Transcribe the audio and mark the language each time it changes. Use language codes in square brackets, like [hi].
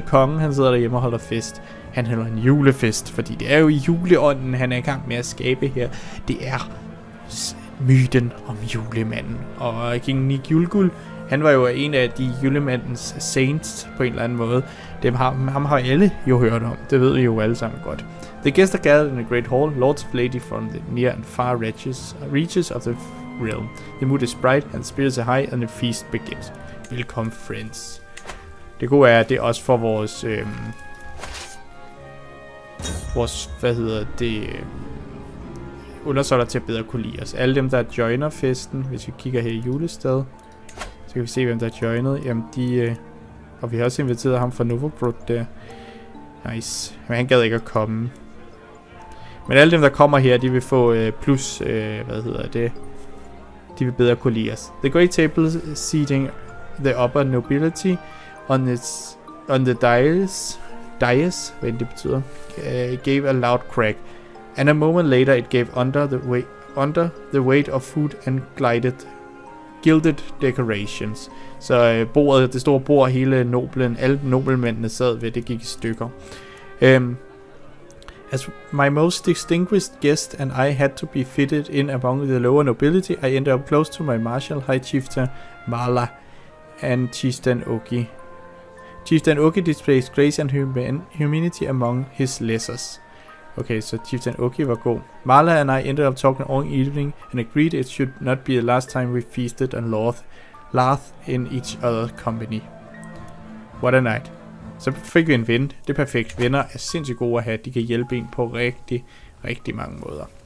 [da] Kongen, han sidder derhjemme og holder fest. Han holder en julefest, fordi det er jo i juleånden, han er i gang med at skabe her. Det er myten om julemanden. Og King Nick Julgul, han var jo en af de julemandens saints på en eller anden måde. Dem har, ham har alle jo hørt om. Det ved vi jo alle sammen godt. [en] The guests are gathered in a great hall, lords of lady from the near and far reaches of the realm. The mood is bright, and spirits are high, and the feast begins. Welcome, friends. [da] Det gode er, at det er også for vores, vores, hvad hedder det, undersolder til at bedre kunne lide os. Alle dem, der joiner festen, hvis vi kigger her i julestedet, så kan vi se, hvem der joinede. Jamen, de, og vi har også inviteret ham fra Novogrod der. Nice. Men han gad ikke at komme. Men alle dem, der kommer her, de vil få plus, hvad hedder det, de vil bedre kunne lide os. [en] The great table seating the upper nobility on, its, on the dais, [da] hvad det betyder, [en] gave a loud crack. And a moment later it gave under the weight of food and glided, gilded decorations. [da] Så bordet, det store bord, hele noblen, alle nobelmændene sad ved, det gik i stykker. [en] As my most distinguished guest and I had to be fitted in among the lower nobility, I ended up close to my marshal, High Chieftain Mala and Chieftain Oki. Chieftain Oki displays grace and humanity among his lessers. Okay, so Chieftain Oki [da] var god. [en] Mala and I ended up talking all evening and agreed it should not be the last time we feasted and laughed in each other's company. What a night. [da] Så fik vi en ven. Det er perfekt. Venner er sindssygt gode at have. De kan hjælpe en på rigtig, rigtig mange måder.